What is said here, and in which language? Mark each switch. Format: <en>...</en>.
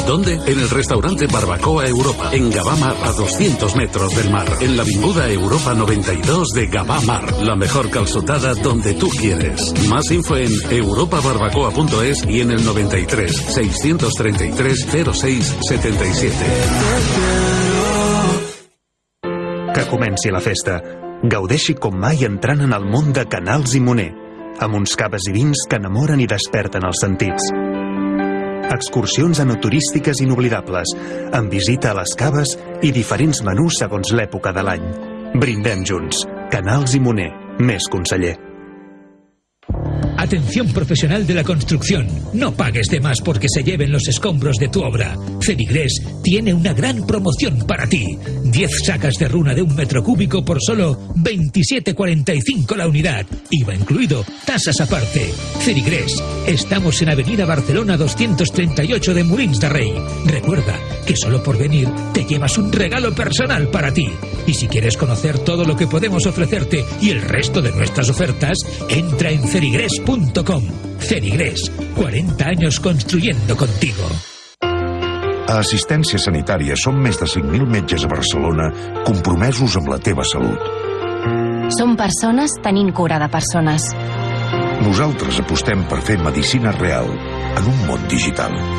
<es>¿Dónde? En el restaurante Barbacoa Europa, en Gavamar, a 200 metros del mar. En la Avinguda Europa 92 de Gavamar. La mejor calzutada donde tú quieres. Más info en europabarbacoa.es y en el 93-633-0677.</es> <ca>Que comenci la festa. Gaudeixi com mai entrant en el món de Canals i Moner, amb uns caves i vins que enamoren i desperten els sentits. Excursions enoturístiques inoblidables, amb visita a les caves i diferents menús segons l'època de l'any. Brindem junts. Canals i Moner, més conseller.</ca> <es>Atención profesional de la construcción. No pagues de más porque se lleven los escombros de tu obra. Cenigrés tiene una gran promoción para ti. 10 sacas de runa de un metro cúbico por solo 27,45 la unidad. IVA incluido, tasas aparte. Cenigrés, estamos en Avenida Barcelona 238 de Molins de Rey. Recuerda que solo por venir te llevas un regalo personal para ti. Y si quieres conocer todo lo que podemos ofrecerte y el resto de nuestras ofertas, entra en cenigrés.com. Cenigrés, 40 años construyendo contigo.</es> <ca>A Assistència Sanitària som més de 5.000 metges a Barcelona compromesos amb la teva salut. Som persones tenint cura de persones. Nosaltres apostem per fer medicina real en un món digital.</ca>